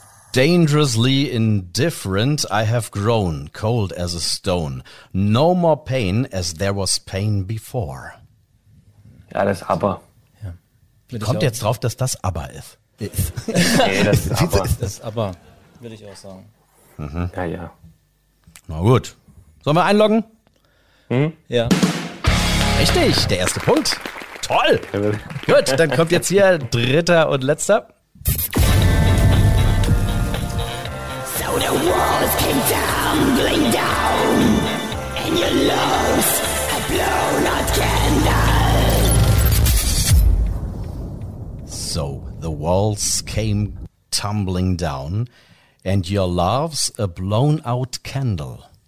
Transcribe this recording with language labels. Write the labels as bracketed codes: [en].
[en] Dangerously indifferent, I have grown, cold as a stone. No more pain, as there was pain before. [de] Ja, das ist ABBA. Ja. Kommt jetzt drauf, dass das ABBA ist. Nee, das ist ABBA. Will ich auch sagen. Mhm. Ja, ja. Na gut. Sollen wir einloggen? Mhm. Ja. Richtig, der erste Punkt. Toll. Gut, dann kommt jetzt hier dritter und letzter. [en] The walls came tumbling down, and your love had blown a candle. So the walls came tumbling down, and your love's a blown out candle.